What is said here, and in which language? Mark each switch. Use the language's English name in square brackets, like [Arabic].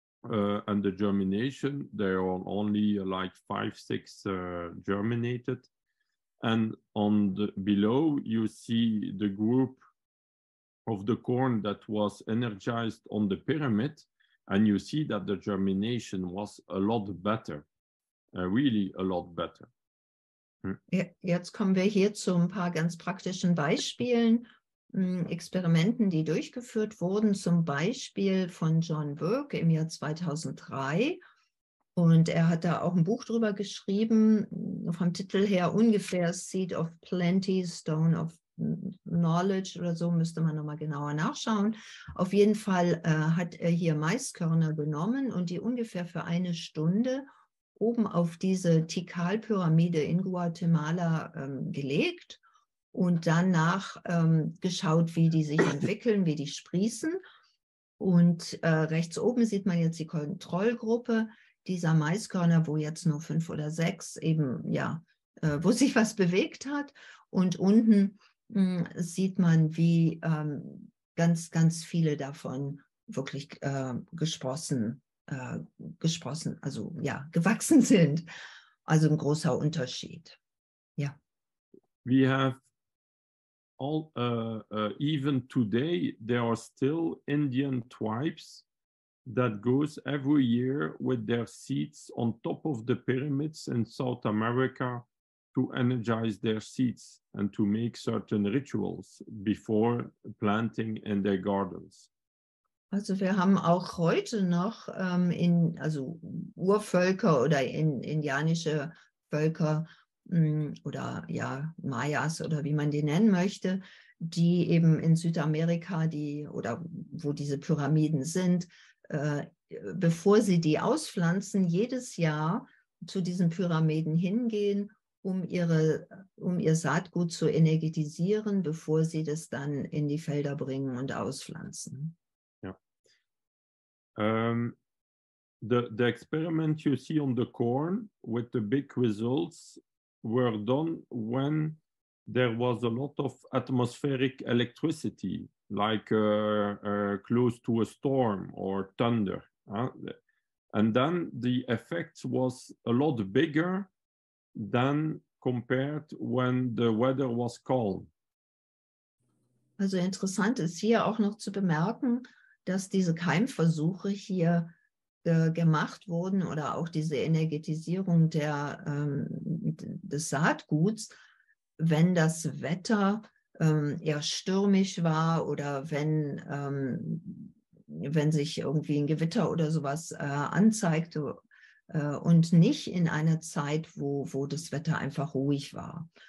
[English] And the germination, they are only like 5-6 germinated. And on the below, you see the group of the corn that was energized on the pyramid. And you see that the germination was a lot better, really a lot better. [German] Jetzt kommen wir hier zu ein paar ganz praktischen Beispielen, Experimenten, die durchgeführt wurden, zum Beispiel von John Burke im Jahr 2003. Und er hat da auch ein Buch drüber geschrieben, vom Titel her ungefähr Seed of Plenty, Stone of Knowledge oder so, müsste man nochmal genauer nachschauen. Auf jeden Fall hat er hier Maiskörner genommen und die ungefähr für eine Stunde oben auf diese Tikal-Pyramide in Guatemala gelegt und danach geschaut, wie die sich entwickeln, wie die sprießen. Und rechts oben sieht man jetzt die Kontrollgruppe dieser Maiskörner, wo jetzt nur 5 oder 6 eben, ja, wo sich was bewegt hat. Und unten sieht man, wie ganz, ganz viele davon wirklich gesprossen, also ja, gewachsen sind. Also ein großer Unterschied. Ja. [English] We have all, even today, there are still Indian tribes that goes every year with their seeds on top of the pyramids in South America to energize their seeds and to make certain rituals before planting in their gardens. [German] Also wir haben auch heute noch in also Urvölker oder in indianische Völker oder ja Mayas oder wie man die nennen möchte, die eben in Südamerika die oder wo diese Pyramiden sind, bevor sie die auspflanzen, jedes Jahr zu diesen Pyramiden hingehen, um ihr Saatgut zu energetisieren, bevor sie das dann in die Felder bringen und auspflanzen. [English] The experiment you see on the corn with the big results were done when there was a lot of atmospheric electricity, like close to a storm or thunder. And then the effect was a lot bigger than compared when the weather was calm. [German] Also interessant ist hier auch noch zu bemerken, dass diese Keimversuche hier gemacht wurden oder auch diese Energetisierung der, des Saatguts, wenn das Wetter eher stürmisch war oder wenn, wenn sich irgendwie ein Gewitter oder sowas anzeigte und nicht in einer Zeit, wo das Wetter einfach ruhig war.